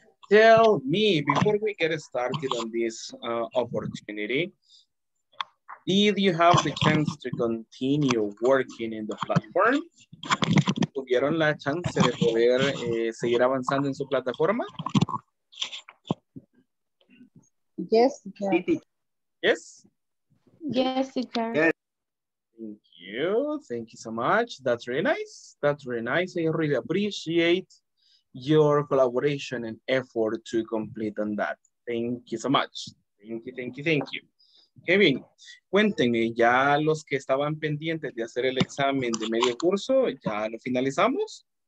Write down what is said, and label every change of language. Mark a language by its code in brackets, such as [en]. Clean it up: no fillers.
[en] Tell me, before we get started on this opportunity, did you have the chance to continue working in the platform? [es] ¿Tuvieron la chance de poder seguir avanzando en su plataforma? [en] Yes, teacher. Yes? Yes, teacher. Thank you. Thank you so much. That's really nice. That's really nice. I really appreciate your collaboration and effort to complete on that. Thank you so much. Thank you, thank you, thank you. [es] Kevin, cuéntenme, ya los que estaban pendientes de hacer el examen de medio curso, ¿ya lo finalizamos?